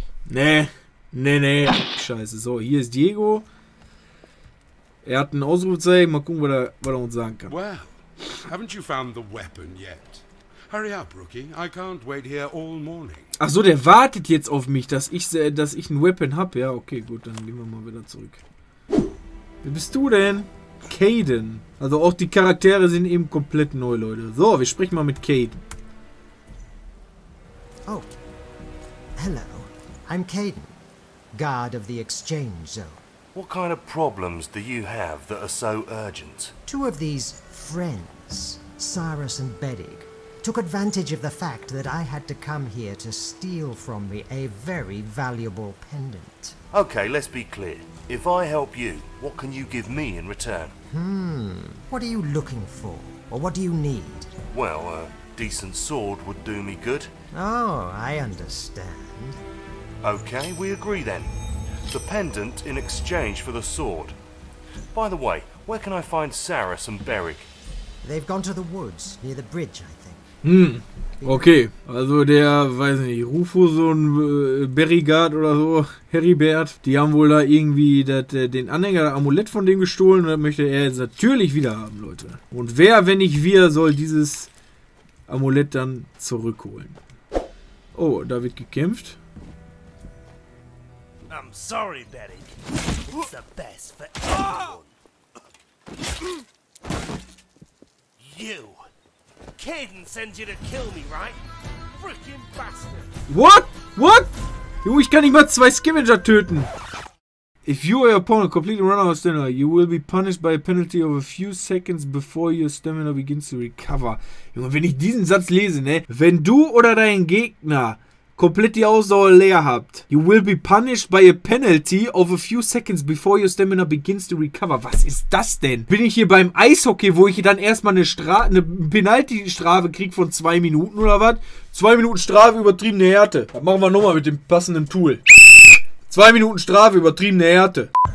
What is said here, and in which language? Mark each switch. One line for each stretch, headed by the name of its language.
German: scheiße. So, hier ist Diego. Er hat ein Ausrufezeichen. Mal gucken, was er uns sagen kann.
English: Well, haven't you found the weapon yet? Hurry up, Rookie. I can't wait here all morning.
German: Ach so, der wartet jetzt auf mich, dass ich ein Weapon hab. Ja, okay, gut, dann gehen wir mal wieder zurück. Wer bist du denn? Caden. Also auch die Charaktere sind eben komplett neu, Leute. So, wir sprechen mal mit Caden.
English: Oh. Hello. I'm Caden, guard of the exchange zone. What kind of problems do you have that are so urgent? Two of these friends, Cyrus and Bedig, took advantage of the fact that I had to come here to steal from me a very valuable pendant. Okay, let's be clear. If I help you, what can you give me in return? What are you looking for? Or what do you need? Well, a decent sword would do me good. Oh, I understand. Okay, we agree then. The pendant in exchange for the sword. By the way, where can I find Saras and Beric? They've gone to the woods near the bridge, I think. Okay.
German: Also der, weiß nicht, Rufus und Berigard oder so, Heribert, die haben wohl da irgendwie den Anhänger, das Amulett von dem gestohlen und das möchte er jetzt natürlich wieder haben, Leute. Und wer, wenn nicht wir, soll dieses Amulett dann zurückholen? Oh, da wird gekämpft.
English: I'm sorry, Beric. It's the best for everyone. You. Caden sends you to kill me, right? Freaking bastard. What?
German: Junge, ich kann nicht mal zwei Scavenger töten.
English: If you or your opponent completely run out of stamina, you will be punished by a penalty of a few seconds before your stamina begins to recover.
German: Junge, wenn ich diesen Satz lese, ne? Wenn du oder dein Gegner komplett die Ausdauer leer habt.
English: You will be punished by a penalty of a few seconds before your stamina begins to recover.
German: Was ist das denn? Bin ich hier beim Eishockey, wo ich dann erstmal eine Penalty-Strafe krieg von 2 Minuten oder was? 2 Minuten Strafe, übertriebene Härte. Das machen wir nochmal mit dem passenden Tool. 2 Minuten Strafe, übertriebene Härte.